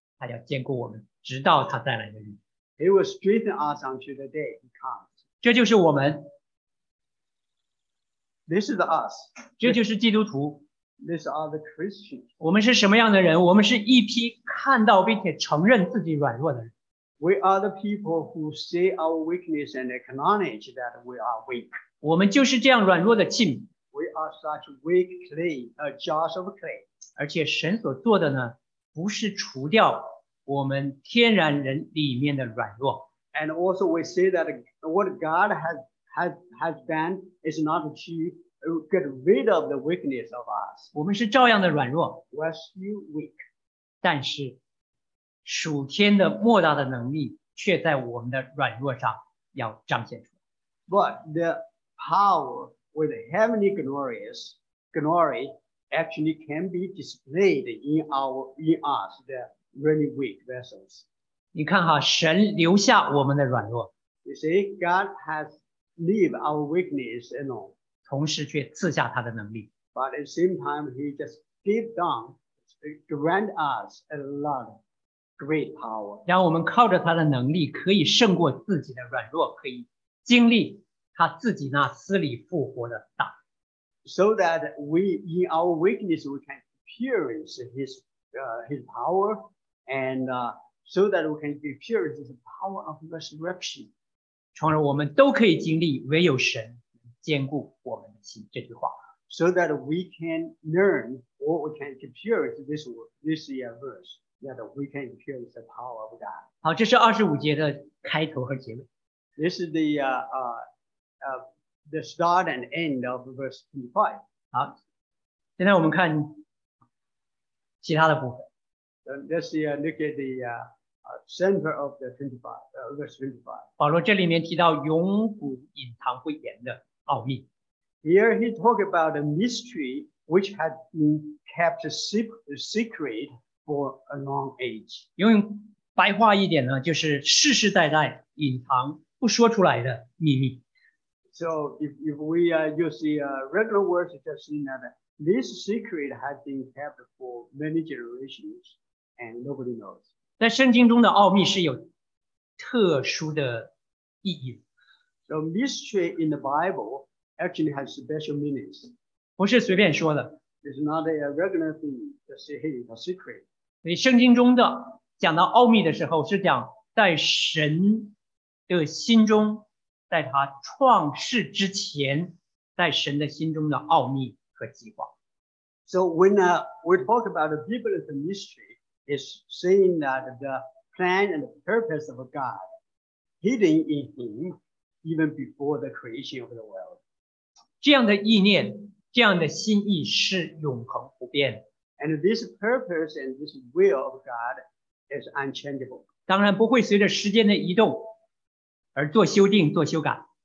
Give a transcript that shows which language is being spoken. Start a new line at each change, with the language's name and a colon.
Chinese: 他要坚固我们，直到他再来的日子。
English: It will strengthen us until the day he comes.
Chinese: 这就是我们。
English: This is us.
Chinese: 这就是基督徒。
English: These are the Christians.
Chinese: 我们是什么样的人？我们是一批看到并且承认自己软弱的人。
English: We are the people who see our weakness and acknowledge that we are weak.
Chinese: 我们就是这样软弱的器皿。
English: We are such weak clay, a jar of clay.
Chinese: 而且神所做的呢，不是除掉。我们天然人里面的软弱。
English: And also we say that what God has done is not to get rid of the weakness of us.
Chinese: 我们是照样的软弱。
English: We're still weak.
Chinese: 但是属天的莫大的能力却在我们的软弱上要彰显出来。
English: But the power with the heavenly glory actually can be displayed in us, the really weak vessels.
Chinese: 你看哈，神留下我们的软弱。
English: You see, God has leave our weakness and all.
Chinese: 同时却赐下他的能力。
English: But at the same time, he just give down, grant us a lot of great power.
Chinese: 让我们靠着他的能力可以胜过自己的软弱，可以经历他自己那死里复活的大。
English: So that we, in our weakness, we can experience his power, and so that we can experience the power of resurrection.
Chinese: 从而我们都可以经历唯有神坚固我们的心这句话。
English: So that we can learn or we can experience this verse, that we can experience the power of God.
Chinese: 好，这是二十五节的开头和结尾。
English: This is the start and end of verse 25.
Chinese: 好，现在我们看其他的部分。
English: Let's look at the center of the 25, verse 25.
Chinese: 保罗这里面提到永古隐藏不言的奥秘。
English: Here he talks about a mystery which had been kept secret for a long age.
Chinese: 用白话一点呢，就是世世代代隐藏不说出来的秘密。
English: So if we use the regular words, just mean that this secret had been kept for many generations and nobody knows.
Chinese: 在圣经中的奥秘是有特殊的意义。
English: So mystery in the Bible actually has special meanings.
Chinese: 不是随便说的。
English: It's not a regular thing to say, hey, it's a secret.
Chinese: 所以圣经中的讲到奥秘的时候，是讲在神的心中，在他创世之前，在神的心中的奥秘和计划。
English: So when we talk about the biblical mystery, it's saying that the plan and the purpose of God hidden in him even before the creation of the world.
Chinese: 这样的意念，这样的心意是永恒不变。
English: And this purpose and this will of God is unchangeable.
Chinese: 当然不会随着时间的移动而做修订做修改。